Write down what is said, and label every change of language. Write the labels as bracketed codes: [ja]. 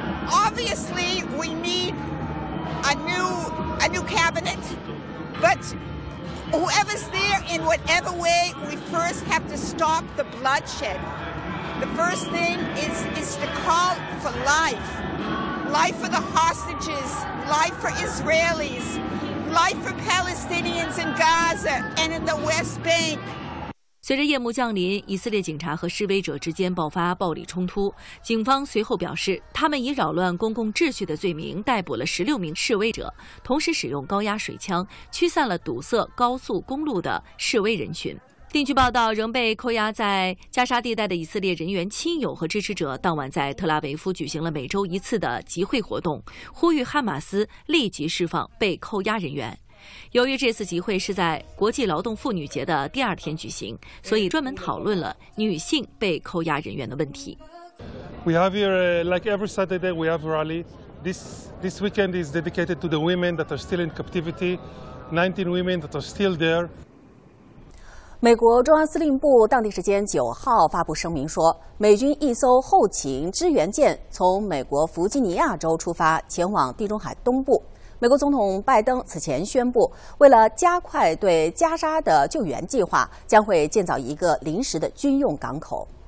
[en] Obviously, we need a new cabinet, but whoever's there, in whatever way, we first have to stop the bloodshed. The first thing is to call for life. Life for the hostages, life for Israelis, life for Palestinians in Gaza and in the West Bank. [zh] 随着夜幕降临，以色列警察和示威者之间爆发暴力冲突。警方随后表示，他们以扰乱公共秩序的罪名逮捕了16名示威者，同时使用高压水枪驱散了堵塞高速公路的示威人群。另据报道，仍被扣押在加沙地带的以色列人员亲友和支持者当晚在特拉维夫举行了每周一次的集会活动，呼吁哈马斯立即释放被扣押人员。由于这次集会是在国际劳动妇女节的第二天举行，所以专门讨论了女性被扣押人员的问题。 [en] We have here, like every Saturday, we have rally. This weekend is dedicated to the women that are still in captivity. 19 women that are still there. [zh] 美国中央司令部当地时间9号发布声明说，美军一艘后勤支援舰从美国弗吉尼亚州出发，前往地中海东部。美国总统拜登此前宣布，为了加快对加沙的救援计划，将会建造一个临时的军用港口。